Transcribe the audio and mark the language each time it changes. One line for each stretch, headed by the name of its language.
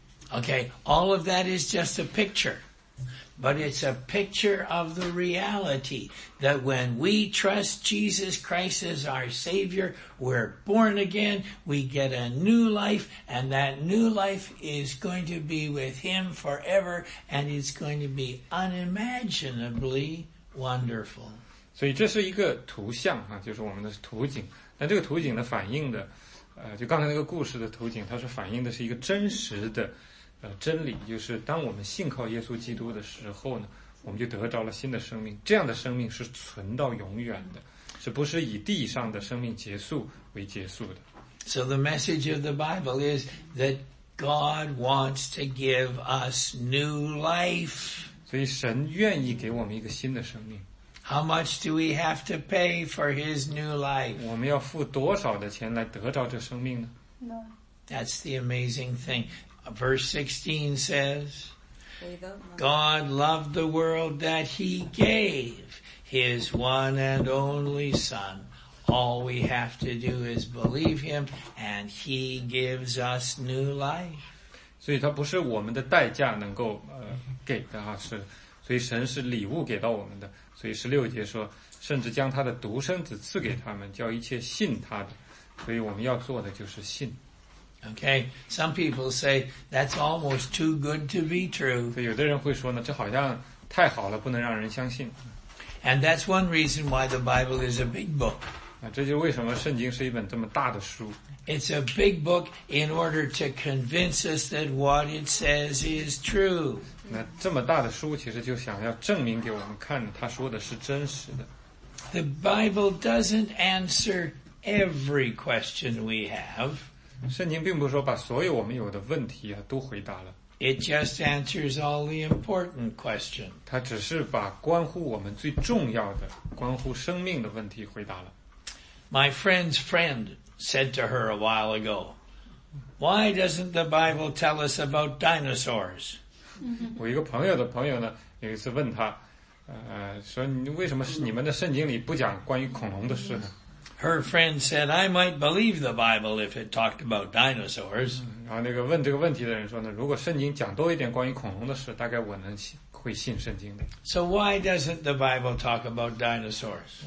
English: Okay, all of that is just a picture, but it's a picture of the reality that when we trust Jesus Christ as our Savior, we're born again, we get a new life, and that new life is going to be with Him forever, and it's going to be unimaginably wonderful.
Chinese: 所以这是一个图像啊，就是我们的图景。那这个图景呢，反映的，就刚才那个故事的图景，它是反映的是一个真实的，真理，就是当我们信靠耶稣基督的时候呢，我们就得到了新的生命，这样的生命是存到永远的，是不是以地上的生命结束为结束的。
English: So the message of the Bible is that God wants to give us new life.
Chinese: 所以神愿意给我们一个新的生命。
English: How much do we have to pay for his new life?
Chinese: 我们要付多少的钱来得到这生命呢？
English: That's the amazing thing. Verse 16 says, God loved the world that he gave his one and only son. All we have to do is believe him and he gives us new life.
Chinese: 所以它不是我们的代价能够给的啊，是，所以神是礼物给到我们的。所以十六节说，甚至将他的独生子赐给他们，叫一切信他的。所以我们要做的就是信。
English: Okay, some people say that's almost too good to be true.
Chinese: 所以有的人会说呢，这好像太好了，不能让人相信。
English: And that's one reason why the Bible is a big book.
Chinese: 啊，这就是为什么圣经是一本这么大的书。
English: It's a big book in order to convince us that what it says is true.
Chinese: 那这么大的书其实就想要证明给我们看他说的是真实的。
English: The Bible doesn't answer every question we have.
Chinese: 圣经并不是说把所有我们有的问题啊都回答了。
English: It just answers all the important questions.
Chinese: 它只是把关乎我们最重要的、关乎生命的问题回答了。
English: My friend's friend. Said to her a while ago, why doesn't the Bible tell us about dinosaurs?
Chinese: 我一个朋友的朋友呢，有一次问他，说你为什么你们的圣经里不讲关于恐龙的事呢？
English: Her friend said, I might believe the Bible if it talked about dinosaurs.
Chinese: 然后那个问这个问题的人说呢，如果圣经讲多一点关于恐龙的事，大概我能会信圣经的。
English: So why doesn't the Bible talk about dinosaurs?